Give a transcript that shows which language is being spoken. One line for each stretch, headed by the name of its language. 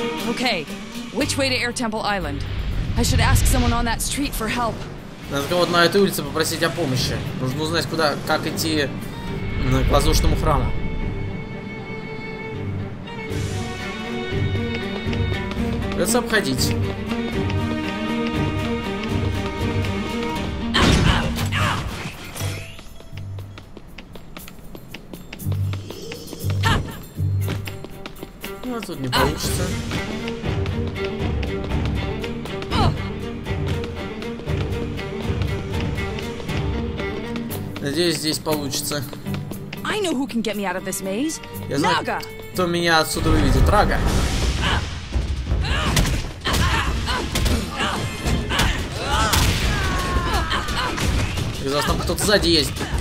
English: Okay, which way to Air Temple Island? I should ask someone on that street for help.
Russian: Надо кого-то на этой улице попросить о помощи. Нужно узнать, куда, как идти к воздушному храму. Придется обходить. Тут не получится. Надеюсь, здесь получится.
English: I know who can get me out of this maze.
Russian: Я знаю, Naga. Кто меня отсюда выведет. Рага. Казалось, там кто-то сзади есть.